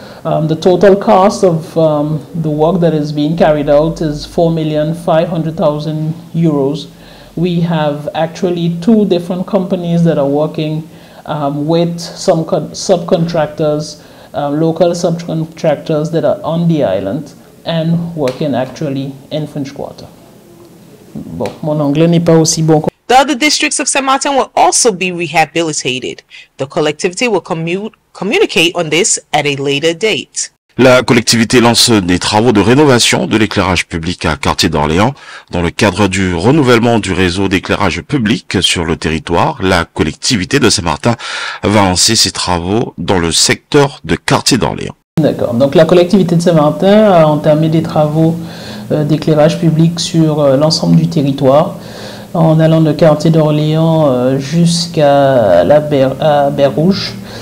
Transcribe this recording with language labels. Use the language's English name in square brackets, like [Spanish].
[English] The total cost of the work that is being carried out is €4,500,000. We have actually two different companies that are working with some subcontractors, local subcontractors that are on the island and working actually in French Quarter. [French] Bon, mon anglais n'est pas aussi bon. [English] The other districts of Saint-Martin will also be rehabilitated. The collectivity will communicate on this at a later date. [French] La collectivité lance des travaux de rénovation de l'éclairage public à Quartier d'Orléans. Dans le cadre du renouvellement du réseau d'éclairage public sur le territoire, la collectivité de Saint-Martin va lancer ses travaux dans le secteur de Quartier d'Orléans. D'accord. Donc la collectivité de Saint-Martin a entamé des travaux d'éclairage public sur l'ensemble du territoire, en allant de Quartier d'Orléans jusqu'à à Berrouge.